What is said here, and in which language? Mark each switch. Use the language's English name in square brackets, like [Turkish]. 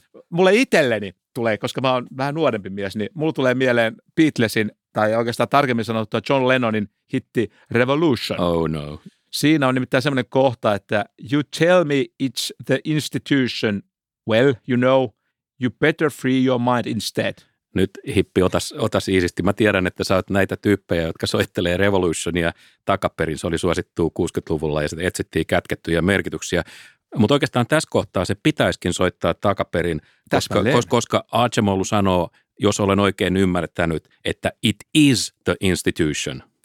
[Finnish] Mulle itselleni tulee, koska mä oon vähän nuorempi mies, niin mulle tulee mieleen Beatlesin, tai oikeastaan tarkemmin sanottua John Lennonin hitti Revolution. [English] Oh no. [Finnish] Siinä on nimittäin semmoinen kohta, että [English] you tell me it's the institution. Well, you know, you better free your mind instead. [Finnish] Nyt hippi, otas iisisti. Mä tiedän, että sä oot näitä tyyppejä, jotka soittelee Revolutionia takaperin. Se oli suosittu 60-luvulla ja sitten etsittiin kätkettyjä merkityksiä. Mutta oikeastaan tässä kohtaa se pitäisikin soittaa takaperin, koska Acemoglu sanoo, jos olen oikein ymmärtänyt, että [English] it is the institution.